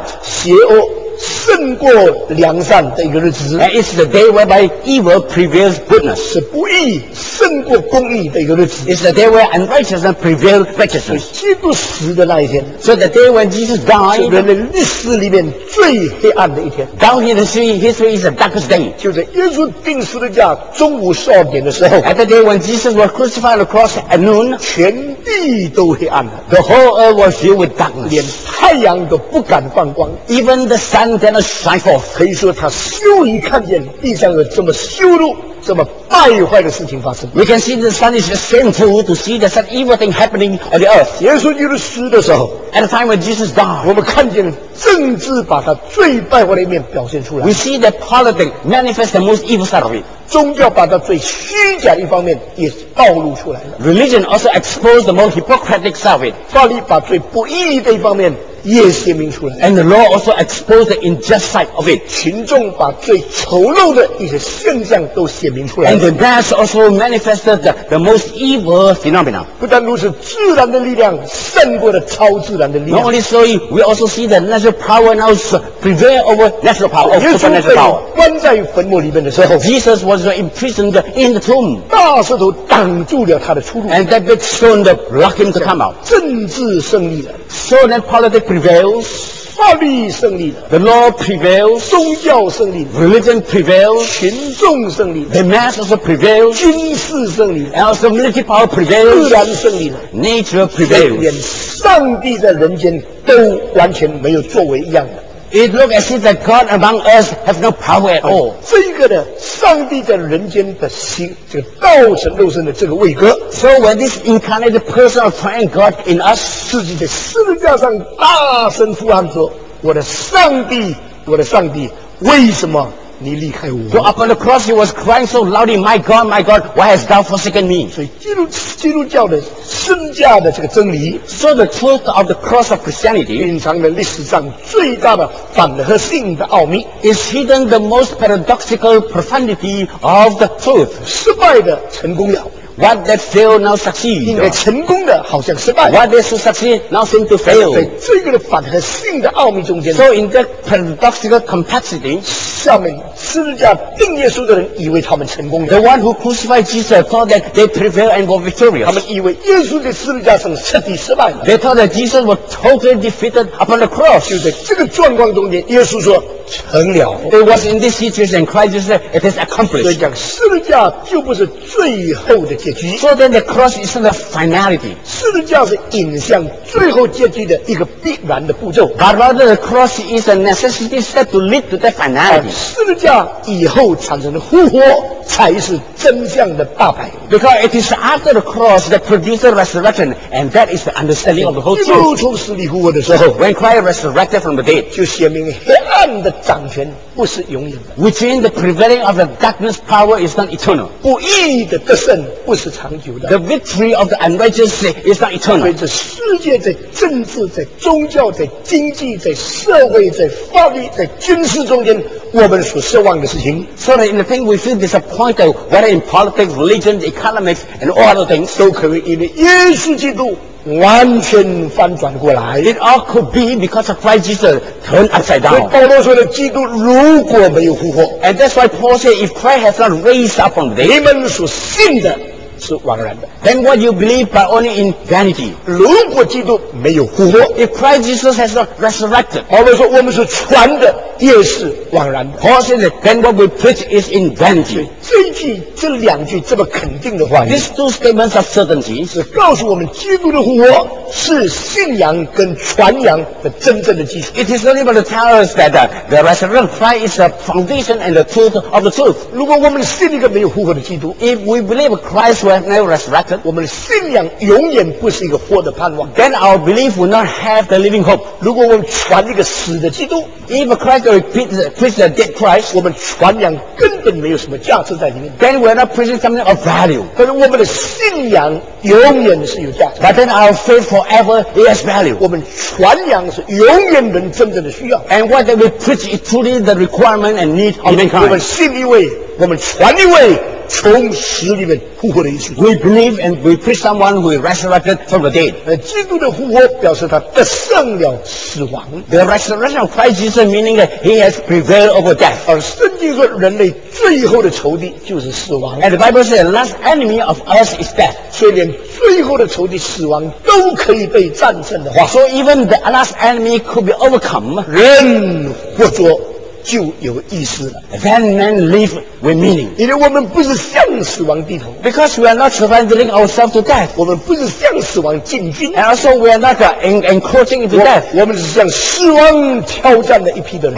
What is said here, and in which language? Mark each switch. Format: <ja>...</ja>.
<zh>邪恶胜过良善的一个日子。</zh> <en>It's the day whereby evil prevails goodness.</en> <zh>是不义胜过公义的一个日子。</zh> <en>It's the day where unrighteousness prevails righteousness.</en> <zh>基督死的那一天。</zh> <en>So the day when Jesus died.</en> <zh>是人类历史里面最黑暗的一天。</zh> <en>Down in the sea, history is the darkest day.</en> <zh>就在耶稣钉十字架中午12点的时候。</zh> <en>At the day when Jesus was crucified across at noon.</en> <zh>全地都黑暗了。</zh> <en>The whole earth was filled with darkness.</en> <zh>连太阳都不敢放光。</zh> <en>Even the sun.</en> <zh>可以说他羞于看见地上有这么羞辱这么败坏的事情发生。</zh> <en>We can see the sun is shameful to see the such evil thing happening on the earth.</en> <zh>耶稣基督死的时候</zh> <en>，at the time when Jesus died，</en> <zh>我们看见政治把他最败坏的一面表现出来。</zh> <en>We see the politics manifest the most evil side of it。</en> <zh>宗教把他最虚假的一方面也暴露出来了。</zh> <en>Religion also exposed the most hypocritic side of it。</en> <zh>法律把最不义的一方面也显明出来。</zh> <en>And the law also exposed the unjust side of it。</en> <zh>群众把最丑陋的一些现象都显。</zh> <en>And the mass also manifested the most evil phenomena.</en> <zh>不但如此，自然的力量胜过了超自然的力量。</zh> <en>Not only so, we also see the natural power now prevail over natural power.</en> <zh>耶稣被关在坟墓里面的时候</zh> <en>，Jesus was imprisoned in the tomb.</en> <zh>大石头挡住了他的出入。</zh> <en>And that big stone blocked him to come out.</en> <zh>政治胜利了</zh> <en>，so that politics prevails.</en> <zh>法律胜利</zh> <en>的 ，the law prevails，</en> <zh>宗教胜利</zh> <en>，religion prevails，</en> <zh>群众胜利</zh> <en>，the mass also prevails，</en> <zh>军事胜利</zh> <en>，and also military power prevails，</en> <zh>自然胜利了</zh> <en>，nature prevails，</en> <zh>连上帝在人间都完全没有作为一样的。</zh> <en>It looks as if the God among us has no power at all.</en> <zh>这个呢，上帝在人间的心，这个道成肉身的这个位格。</zh> <en>So when this incarnated person of praying God in us,</en> <zh>自己在十字架上大声呼喊说：“我的上帝，我的上帝，为什么你离开我。</zh> <en>So upon the cross, he was crying so loudly, my God, why hast thou forsaken me?</en> <zh>所以基督教的圣架的这个真理。</zh> <en>So the truth of the cross of Christianity.</en> <zh>隐藏了历史上最大的反和性的奥秘。</zh> <en>Is hidden the most paradoxical profundity of the truth.</en> <zh>失败的成功了。</zh> <en>What that fail now succeed.</en> <zh>应该成功的好像失败。</zh> <en>What that succeed now seem to fail.</en> <zh>在这个的反和性的奥秘中间。</zh> <en>So in that paradoxical complexity,</en> <zh>下面十字架钉耶稣的人以为他们成功了。</zh> <en>The one who crucified Jesus thought that they prevailed and were victorious.</en> <zh>他们以为耶稣在十字架上彻底失败了。</zh> <en>They thought that Jesus was totally defeated upon the cross.</en> <zh>就在这个状况中间，耶稣说成了。</zh> <en>It was in this situation Christ said it is accomplished.</en> <zh>所以讲十字架就不是最后的结局。</zh> <en>So then the cross is the finality.</en> <zh>十字架是引向最后结局的一个必然的步骤。</zh> <en>But rather the cross is a necessity step to lead to the finality.</en> <zh>十字架以后产生的复活才是真相的大白。</zh> <en>Because it is after the cross that produces resurrection, and that is the understanding of the whole truth.</en> <zh>基督从死里复活的时候</zh> <en>，When Christ resurrected from the dead,</en> <zh>就显明黑暗的掌权不是永远的。</zh> <en>Which means the prevailing of the darkness power is not eternal.</en> <zh>不义的得胜不是长久的。</zh> <en>The victory of the unrighteous is not eternal.</en> <zh>随着世界在政治、在宗教、在经济、在社会、在法律、在军事中间，我们所失望的事情。</zh> <en>So that in the thing we feel disappointed, whether in politics, religion, economics, and all other things,</en> <zh>都可以因为耶稣基督完全翻转过来。</zh> <en>It all could be because of Christ Jesus turned upside down.</en> <zh>保罗说的基督如果没有复活。</zh> <en>And that's why Paul said, if Christ has not raised up from the dead,</en> <zh>你们所信的是枉然的。</zh> <en>Then what you believe but only in vanity.</en> <zh>如果基督没有复活。</zh> <en>If Christ Jesus has not resurrected.</en> <zh>保罗说我们是传的也是枉然的。</zh> <en>Paul said that then what we preach is in vanity.</en> <zh>这一句这两句这么肯定的话语。</zh> <en>These two statements of certainty.</en> <zh>是告诉我们基督的复活是信仰跟传扬的真正的基础。</zh> <en>It is not able to tell us that the resurrection of Christ is the foundation and the truth of the truth.</en> <zh>如果我们信一个没有复活的基督。</zh> <en>If we believe Christ we have never resurrected,</en> <zh>我们的信仰永远不是一个活的盼望。</zh> <en>Then our belief will not have the living hope.</en> <zh>如果我们传一个死的基督，</zh> <en>if Christ preach the dead Christ,</en> <zh>我们传扬根本没有什么价值在里面。</zh> <en>Then we are not preaching something of value.</en> <zh>可是我们的信仰永远是有价值。</zh> <en>But then our faith forever has value.</en> <zh>我们传扬是永远人真正的需要。</zh> <en>And what we preach is truly the requirement and need of mankind.</en> <zh>我们信一位，我们传一位。从死里面复活的耶稣。</zh> <en>We believe and we preach someone who resurrected from the dead.</en> <zh>基督的复活表示他得胜了死亡。</zh> <en>The resurrection of Christ Jesus meaning that he has prevailed over death.</en> <zh>而圣经说人类最后的仇敌就是死亡。</zh> <en>And the Bible says the last enemy of us is death.</en> <zh>所以连最后的仇敌死亡都可以被战胜的话。</zh> <en>So even the last enemy could be overcome.</en> <zh>人活着就有意思了。</zh> <en>Then men live with meaning.</en> <zh>因为我们不是向死亡低头。</zh> <en>Because we are not surrendering ourselves to death.</en> <zh>我们不是向死亡进军。</zh> <en>And also we are not encroaching into death.</en> <zh>我们是向死亡挑战的一批的人。</zh>